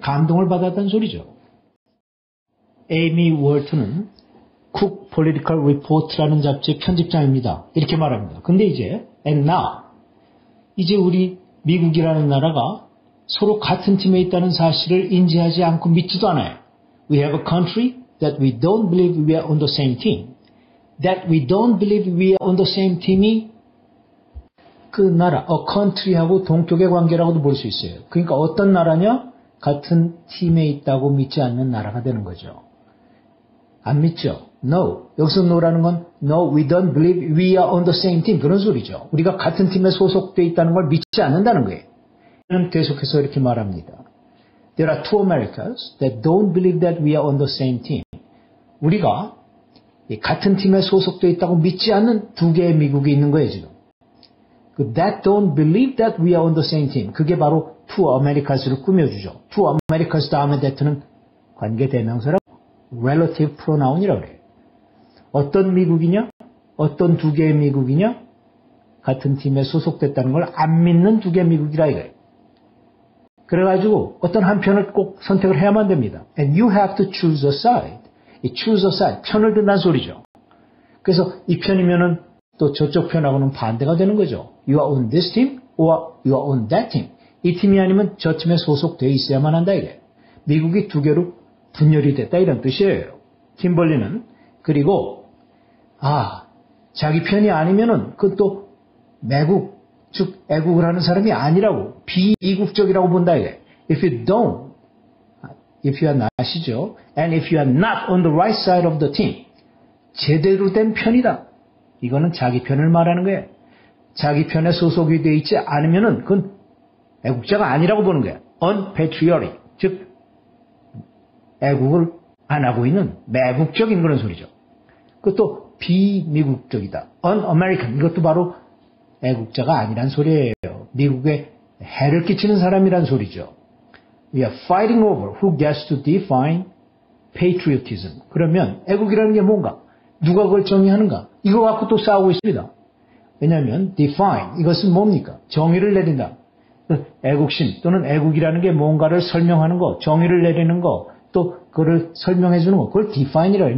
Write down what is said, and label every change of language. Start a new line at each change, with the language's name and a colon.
Korean: 감동을 받았다는 소리죠. 에이미 월트는 쿡 폴리티컬 리포트라는 잡지의 편집장입니다. 이렇게 말합니다. 근데 이제
English: and now
Korean: 이제 우리 미국이라는 나라가 서로 같은 팀에 있다는 사실을 인지하지 않고 믿지도 않아요.
English: We have a country that we don't believe we are on the same team. That we don't believe we are on the same team이
Korean: 그 나라,
English: a country하고
Korean: 동쪽의 관계라고도 볼 수 있어요. 그러니까 어떤 나라냐? 같은 팀에 있다고 믿지 않는 나라가 되는 거죠. 안 믿죠? No. 여기서 no라는 건
English: No, we don't believe we are on the same team.
Korean: 그런 소리죠. 우리가 같은 팀에 소속되어 있다는 걸 믿지 않는다는 거예요. 저는 계속해서 이렇게 말합니다.
English: There are two Americas that don't believe that we are on the same team.
Korean: 우리가 같은 팀에 소속되어 있다고 믿지 않는 두 개의 미국이 있는 거예요, 지금.
English: That don't believe that we are on the same team.
Korean: 그게 바로 two Americas를 꾸며주죠. Two Americas 다음에 that는 관계 대명사라고 relative pronoun이라고 그래요. 어떤 미국이냐? 어떤 두 개의 미국이냐? 같은 팀에 소속됐다는 걸 안 믿는 두 개의 미국이라 이거예요. 그래가지고 어떤 한 편을 꼭 선택을 해야만 됩니다.
English: And you have to choose a side. Choose a side.
Korean: 편을 든다는 소리죠. 그래서 이 편이면은 또 저쪽 편하고는 반대가 되는 거죠.
English: You are on this team or you are on that team.
Korean: 이 팀이 아니면 저 팀에 소속되어 있어야만 한다 이게. 미국이 두 개로 분열이 됐다 이런 뜻이에요. 킴벌리는 그리고 아 자기 편이 아니면은 그건 또 매국 즉 애국을 하는 사람이 아니라고 비이국적이라고 본다 이게.
English: If you don't, if you are not이죠. And if you are not on the right side of the team,
Korean: 제대로 된 편이다. 이거는 자기 편을 말하는 거예요. 자기 편에 소속이 되어 있지 않으면 그건 애국자가 아니라고 보는 거예요. Unpatriotic, 즉 애국을 안 하고 있는 매국적인 그런 소리죠. 그것도 비미국적이다. Un-American, 이것도 바로 애국자가 아니란 소리예요. 미국에 해를 끼치는 사람이란 소리죠.
English: We are fighting over who gets to define patriotism.
Korean: 그러면 애국이라는 게 뭔가? 누가 그걸 정의하는가? 이거 갖고 또 싸우고 있습니다. 왜냐하면 define 이것은 뭡니까? 정의를 내린다. 애국심 또는 애국이라는 게 뭔가를 설명하는 거, 정의를 내리는 거, 또 그걸 설명해 주는 거, 그걸 define이라고 해요.